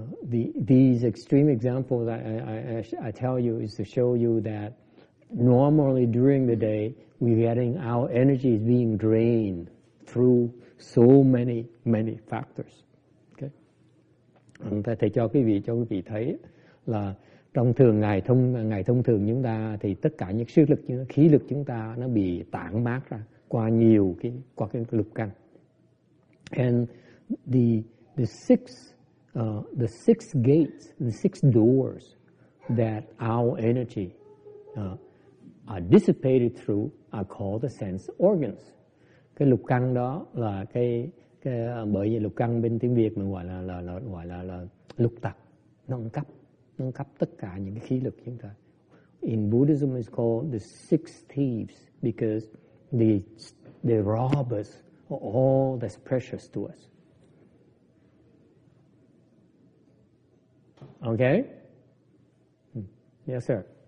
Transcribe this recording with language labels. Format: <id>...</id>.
<en>These extreme examples I tell you is to show you that normally during the day we're getting our energy is being drained through so many factors.</en> <vi>Okay, ta thầy cho quý vị thấy là. Trong thường ngày thông thường chúng ta thì tất cả những sức lực, khí lực chúng ta nó bị tản mát ra qua nhiều cái, qua cái lục căn.</vi> <en>And the six gates, the six doors that our energy are dissipated through are called the sense organs.</en> <vi>Cái lục căn đó là cái bởi vì lục căn bên tiếng Việt mình gọi là lục tặc, nâng cấp tất cả những cái khí lực chúng ta.</vi> <en>in Buddhism is called the six thieves, because they rob us of all that's precious to us. Okay? Yes, sir.</en>